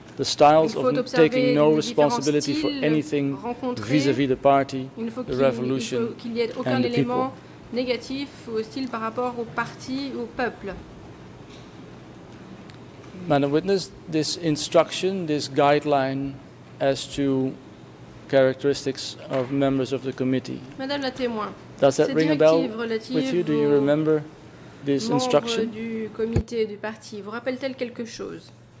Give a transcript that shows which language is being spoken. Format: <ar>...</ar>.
<en>The styles of taking no responsibility for anything vis-à-vis the party, the revolution, and the people.</en> <fr>Négatif ou hostile par rapport au parti ou au peuple.</fr> <en>Madam Witness, this instruction, this guideline as to characteristics of members of the committee.</en> <fr>Madame la témoin,</fr> <en>does that ring a bell with you? Do you remember this instruction?</en> <fr>Membre du comité du parti, vous rappelle-t-elle quelque chose?</fr>